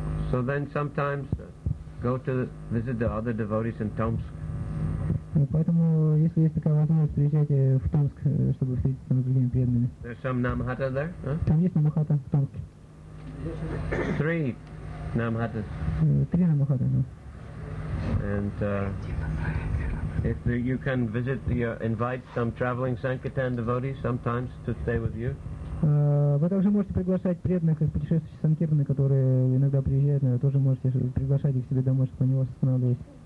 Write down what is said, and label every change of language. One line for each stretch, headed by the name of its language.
English: So then sometimes go to visit the other devotees in Tomsk.
Russian: Поэтому, если есть такая возможность, приезжайте в Томск, чтобы встретиться там с другими преданными.
English: There's some Namahata there? Huh?
Russian: Там есть Намахата в Томске.
English: Three Namahatas.
Russian: Три Намахата, да.
English: And if you can visit, invite some traveling Sankirtan devotees sometimes to stay with you.
Russian: Вы также можете приглашать преданных из путешествующих санкирны, которые иногда приезжают, наверное, тоже можете приглашать их к себе домой, чтобы они у вас останавливались.